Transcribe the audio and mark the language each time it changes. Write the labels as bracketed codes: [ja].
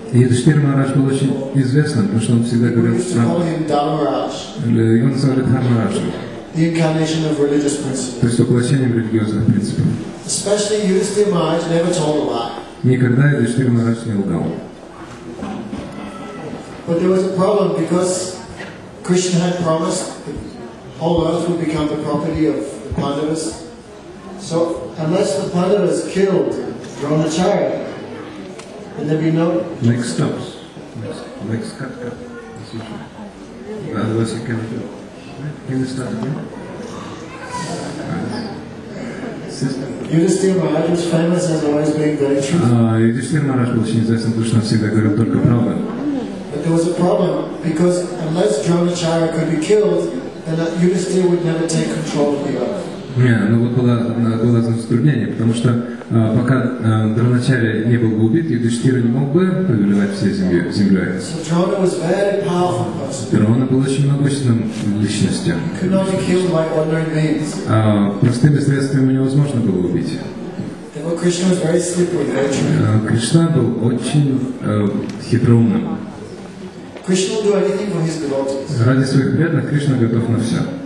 [ru] Yudhishthira Maharaj был очень известным, потому что он всегда говорил правду. [en] We used to call him Dharmaraj. [ru] Его называли Дхармараджем. [en] The incarnation of religious principles. [ru] То есть воплощением религиозных принципов. [en] Especially Yudhishthira Maharaj never told a lie. [ru] Никогда Юдиштхир Махарадж не лгал. [en] But there was a problem because Krishna had promised that all earth would become the property of the Pandavas. So unless the Pandavas killed Dronacharya, then there'd be no. Next stops. Next cut. Otherwise you can't do. Can you start again? Yudhishthira Maharaj was famous as always being very truthful. But there was a problem because unless Dronacharya could be killed, then Yudhishthira would never take control of the earth. [ru] Было затруднение, потому что пока Дроначарья не был бы убит, Юдиштхира не мог бы повелевать всей землей. [en] So Drona was very powerful person. [ru] Дрона был очень могущественным личностью. [en] He could not be killed by ordinary means. [ru] Простыми средствами невозможно было убить. [en] But Krishna was very slippery, very true. [ru] Кришна был очень хитроумным. [en] Krishna will do anything for his devotees. [ru] Ради своих преданных Кришна готов на все.